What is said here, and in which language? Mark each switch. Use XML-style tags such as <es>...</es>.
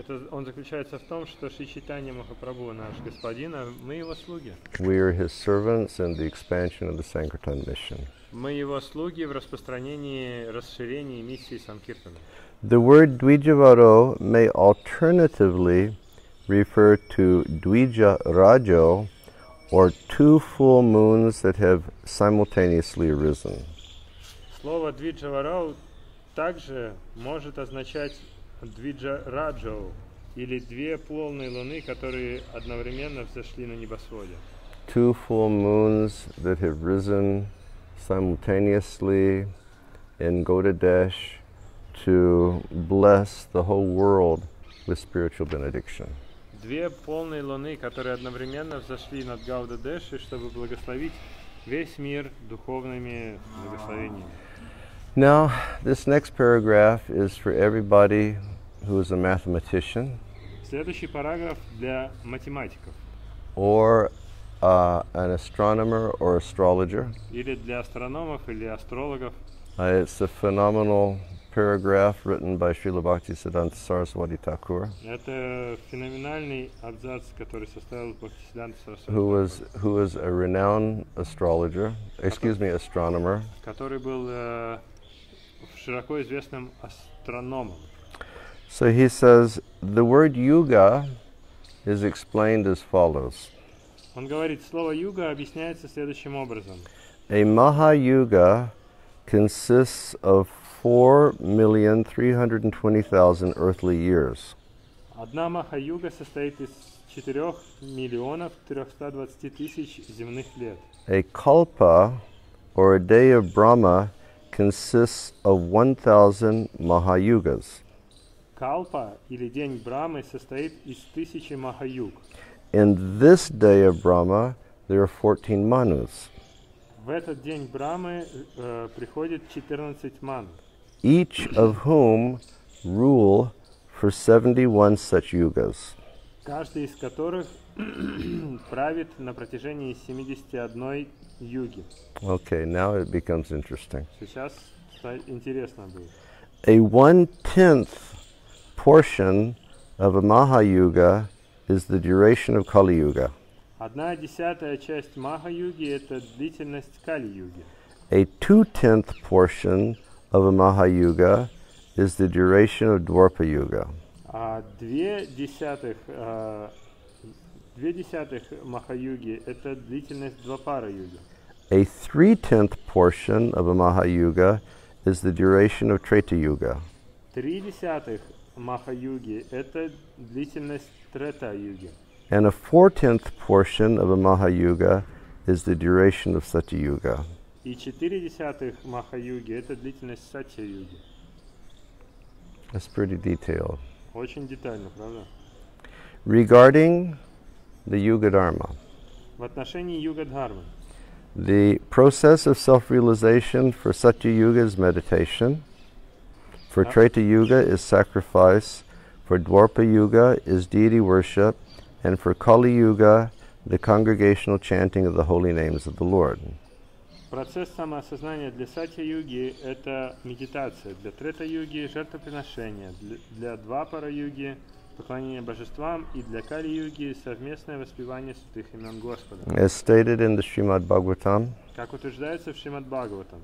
<ru>Он заключается в том, что Шри Чайтанья Махапрабху наш господин, а мы его слуги.</ru> <en>We are his servants in the expansion of the Sankirtan mission.</en> <ru>Мы его слуги в распространении, расширении миссии Санкиртана.</ru> <en>The word Dvijavaro may alternatively refer to Dvija Rajo, or two full moons that have simultaneously arisen.</en> <ru>Слово Dvijavaro также может означать Dvija Rajo, или две полные луны, которые одновременно взошли на небосводе.</ru> <en>Two full moons that have risen simultaneously in Gaudadesh to bless the whole world with spiritual benediction.</en> <ru>Две полные луны, которые одновременно взошли над Гаудадешей, чтобы благословить весь мир духовными благословениями.</ru> <en>Now, this next paragraph is for everybody who is a mathematician.</en> <ru>Следующий параграф для математиков.</ru> <en>Or an astronomer or astrologer.</en> <ru>Или для астрономов или астрологов.</ru> <en>It's a phenomenal paragraph written by Srila Bhaktisiddhanta Saraswati Thakur.</en> <ru>Это феноменальный абзац, который составил Бхактисиддханта Сарасвати.</ru> <en>Who was a renowned astrologer? Astronomer.</en> <ru>Который был широко известным астрономом.</ru> <en>So he says the word yuga is explained as follows.</en> <ru>Он говорит, слово юга объясняется следующим образом.</ru> <en>A Mahayuga consists of 4,320,000 earthly years.</en> <ru>Одна Махаюга состоит из 4,320,000 земных лет.</ru> <en>A Kalpa, or a day of Brahma, consists of 1,000 Mahayugas.</en> <ru>Kalpa, или день Брамы, состоит из 1,000 Махаюг.</ru> <en>In this day of Brahma, there are 14 Manus.</en> <ru>В этот день Брамы приходит 14 ман.</ru> <en>Each of whom rule for 71 such yugas.</en> <ru>Каждый из которых правит на протяжении 71 юги.</ru> <en>Okay, now it becomes interesting.</en> <ru>Сейчас интересно будет.</ru> <en>A 1/10 portion of a Mahayuga is the duration of Kali Yuga.</en> <ru>1/10 часть Махаюги это длительность Кали Юги.</ru> <en>A 2/10 portion of a Mahayuga is the duration of Dwarpa Yuga.</en> <ru>2/10 две десятых Махаюги – это длительность Двапара Юги.</ru> <en>A three-tenth portion of a Mahayuga is the duration of Treta Yuga.</en> <ru>Три десятых Махаюги – это длительность Трета Юги.</ru> <en>And a four-tenth portion of a Mahayuga is the duration of Satya Yuga.</en> <ru>И четыре десятых Махаюги – это длительность Сатья Юги.</ru> <en>That's pretty detailed.</en> <ru>Очень детально, правда?</ru> <en>Regarding the Yuga Dharma.</en> <ru>В отношении Юга Дхармы.</ru> <en>The process of self-realization for Satya Yuga is meditation. For Treta Yuga is sacrifice. For Dwarpa Yuga is deity worship. And for Kali Yuga, the congregational chanting of the holy names of the Lord.</en> <ru>Процесс самоосознания для Сатья Юги – это медитация. Для Трета Юги – жертвоприношение. Для Двапара Юги – поклонение божествам. И для Кали Юги – совместное воспевание святых имен Господа.</ru> <en>As stated in the Srimad Bhagavatam,</en> <ru>как утверждается в Шримад Бхагаватам,</ru>